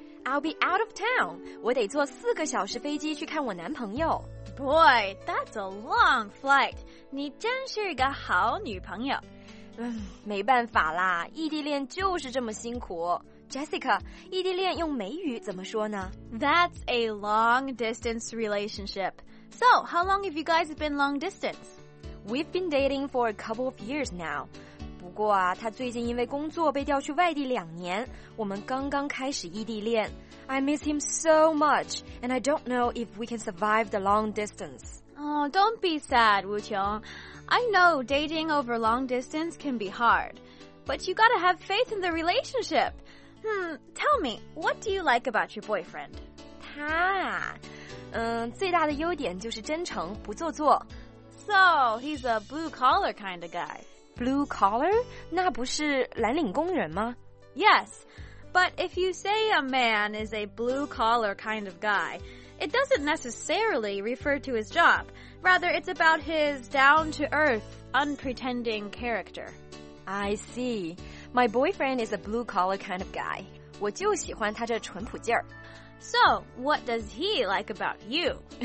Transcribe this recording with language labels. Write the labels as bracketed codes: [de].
[en] I'll be out of town. [zh] 我得坐四个小时飞机去看我男朋友。 [en] Boy, that's a long flight. [zh] 你真是一个好女朋友。没办法啦，异地恋就是这么辛苦。Jessica, 异地恋用美语怎么说呢? [en] That's a long distance relationship. So, how long have you guys been long distance? We've been dating for a couple of years now. [zh] 不过啊，他最近因为工作被调去外地两年，我们刚刚开始异地恋。 [en] I miss him so much, and I don't know if we can survive the long distance. Oh, don't be sad, Wu Qiong. I know dating over long distance can be hard, but you gotta have faith in the relationship.Tell me, what do you like about your boyfriend? [zh] 他他啊，最大的优点就是真诚，不做作。 [en] So, he's a blue-collar kind of guy. [zh] Blue-collar? 那不是蓝领工人吗？ [en] Yes, but if you say a man is a blue-collar kind of guy, it doesn't necessarily refer to his job. Rather, it's about his down-to-earth, unpretending character. I see. My boyfriend is a blue-collar kind of guy. [zh] 我就喜欢他这淳朴劲儿。 [en] So, what does he like about you?